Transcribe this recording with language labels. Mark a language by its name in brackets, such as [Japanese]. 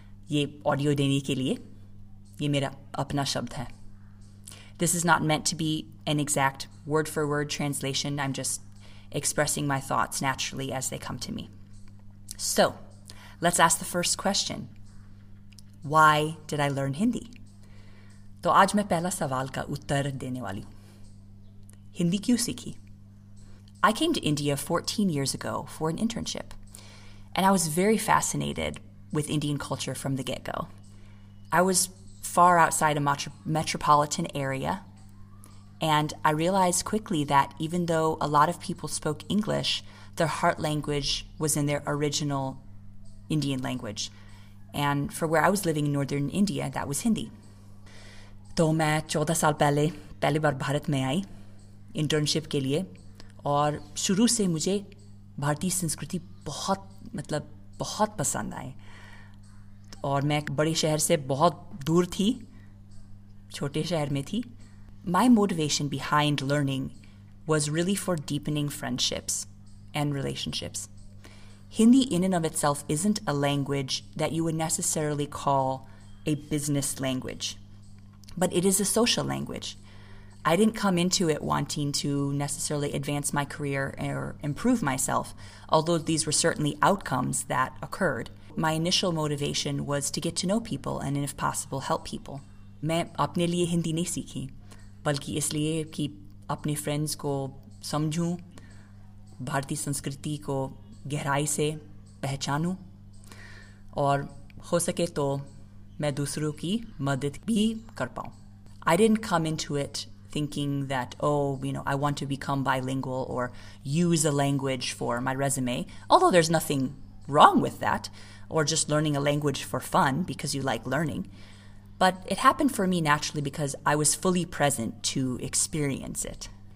[Hindi] ये ऑडियो देने के लिए ये मेरा अपना शब्द है. [English] This is not meant to be an exact word-for-word translation. I'm just expressing my thoughts naturally as they come to me. So, let's ask the first question. Why did I learn Hindi? [Hindi] तो आज मैं पहला सवाल का उत्तर देने वाली हूँ. हिंदी क्यों सीखी? [English] I came to India 14 years ago for an internship, and I was very fascinated with Indian culture from the get-go. I was far outside a metropolitan area, And I realized quickly that even though a lot of people spoke English, their heart language was in their original Indian language. And for where I was living in northern India, that was Hindi. [Hindi] तो मैं 14 साल पहले पहली बार भारत में आई internship के लिए और शुरू से मुझे भारतीय संस्कृति बहुत मतलब बहुत पसंद आए और मैं एक बड़े शहर से बहुत दूर थी छोटे शहर में थी. [English] My motivation behind learning was really for deepening friendships and relationships. Hindi in and of itself isn't a language that you would necessarily call a business language, but it is a social language. I didn't come into it wanting to necessarily advance my career or improve myself, although these were certainly outcomes that occurred. My initial motivation was to get to know people and, if possible, help people. [Hindi] मैं अपने लिए हिंदी नहीं सीखी, बल्कि इसलिए कि अपने friends को समझूं, भारतीय संस्कृति को गहराई से पहचानूं, और हो सके तो मैं दूसरों की मदद भी कर पाऊं. [English] I didn't come into it thinking that, oh, you know, I want to become bilingual or use a language for my resume, although there's nothing wrong with that, or just learning a language for fun because you like learning. But it happened for me naturally because I was fully present to experience it.